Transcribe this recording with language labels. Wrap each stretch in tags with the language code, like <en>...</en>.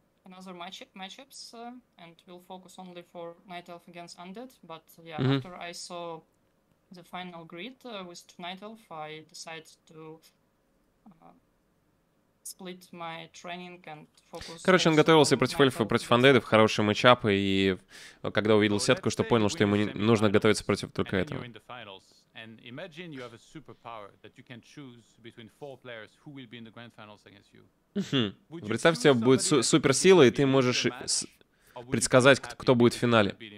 <en>Another matchups and we'll focus only for Night Elf against Undead, but yeah, mm-hmm. After I saw the final grid with two Night Elf, I decided to split my training and focus.</en> <ru>Короче, он готовился против эльфа, против андедов, хорошие матчапы, и когда увидел сетку, что понял, что ему нужно готовиться против только этого.</ru> <en>And imagine you have a superpower that you can choose between four players who will be in the grand finals against you.</en> <ru>Представь, у тебя будет суперсила, и ты можешь предсказать, кто будет в финале.</ru>